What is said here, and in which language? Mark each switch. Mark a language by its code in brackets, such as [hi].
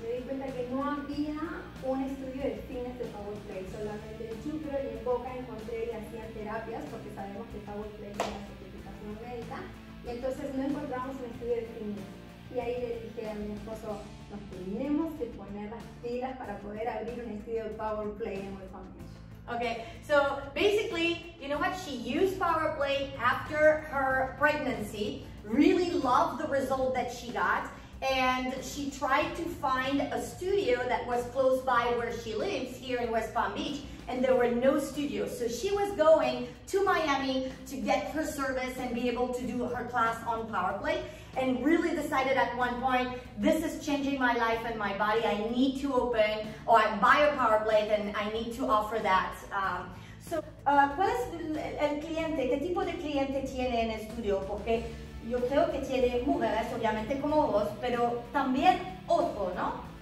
[es] Me di cuenta que no había un estudio de fitness de PowerPlay, solamente en Chucro y en Boca encontré y hacían terapias porque sabemos que PowerPlay es la certificación médica y entonces no encontramos un estudio de fitness. Y ahí le dije a mi esposo, nos tenemos que poner las pilas para poder abrir un estudio de PowerPlay en West Palm Beach. [en] Okay, so basically, you know what? She used PowerPlay after her pregnancy, really loved the result that she got, and she tried to find a studio that was close by where she lives here in West Palm Beach, and there were no studios. So she was going to Miami to get her service and be able to do her class on PowerPlay, and really decided at one point, this is changing my life and my body. I need to open, or I buy a PowerPlay, and I need to offer that. [es] ¿Cuál es el cliente? ¿Qué tipo de cliente tiene en el estudio? Porque yo creo que tiene mujeres, obviamente como vos, pero también otro, ¿no?